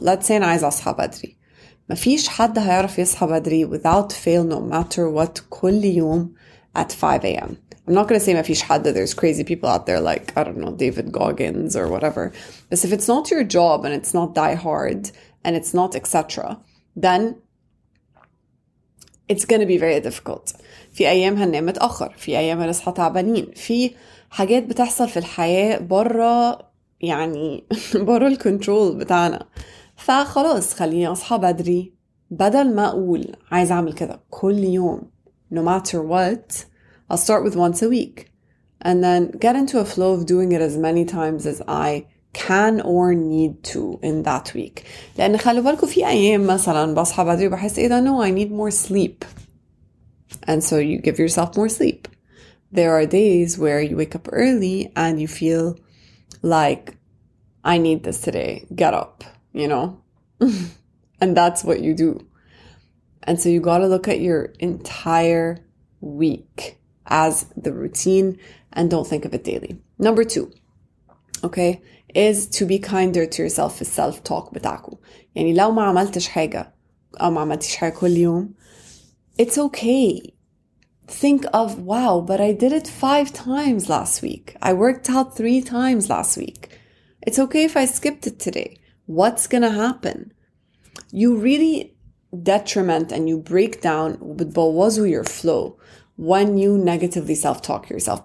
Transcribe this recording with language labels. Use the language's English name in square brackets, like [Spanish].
[English] Let's say I was a badri. [Arabic] Ma fiish had hayaraf yasha badri [English] without fail, no matter what, [Arabic] kull yom [English] at 5 a.m. I'm not going to say [Arabic] ma fiish had, [English] there's crazy people out there like, I don't know, David Goggins or whatever. But if it's not your job and it's not die hard and it's not etc., then it's going to be very difficult. [Arabic] في أيام هننام متأخر. في أيام هنصحى تعبانين. في حاجات بتحصل في الحياة برا يعني برا الكنترول بتاعنا. فخلاص خليني أصحى بدري. بدل ما أقول عايز أعمل كده كل يوم. [English] No matter what, I'll start with once a week. And then get into a flow of doing it as many times as I can or need to in that week. [Arabic] لأن خلي بالكو في أيام مثلا بصحى بدري بحس إيه ده, [English] no, I need more sleep. And so you give yourself more sleep. There are days where you wake up early and you feel like, I need this today. Get up, you know? And that's what you do. And so you got to look at your entire week as the routine and don't think of it daily. Number two, okay, is to be kinder to yourself, is self-talk [Arabic] بتاعكو. يعني لو ما عملتش حاجة أو ما عملتش حاجة كل يوم, [English] it's okay. Think of, wow, but I did it 5 times last week. I worked out 3 times last week. It's okay if I skipped it today. What's gonna happen? You really detriment and you break down your flow when you negatively self-talk yourself.